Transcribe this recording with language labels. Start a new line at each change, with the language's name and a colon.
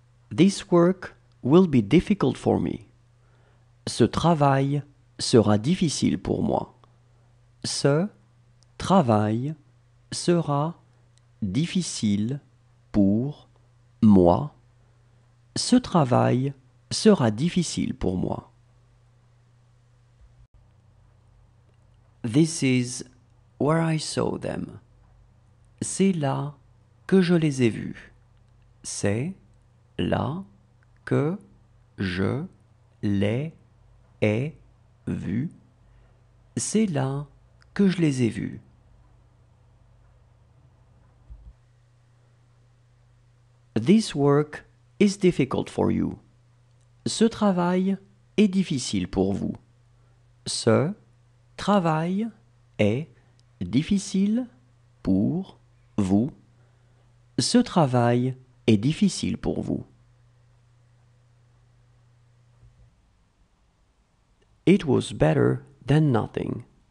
English: This work will be difficult for me.
French: Ce travail sera difficile pour moi. Ce travail sera difficile pour moi. Ce travail sera difficile pour moi.
English: This is where I saw them.
French: C'est là que je les ai vus. C'est là que je les ai vus. C'est là que je les ai vus.
English: This work is difficult for you.
French: Ce travail est difficile pour vous. Ce travail est difficile pour vous. Ce travail est difficile pour vous.
English: It was better than nothing.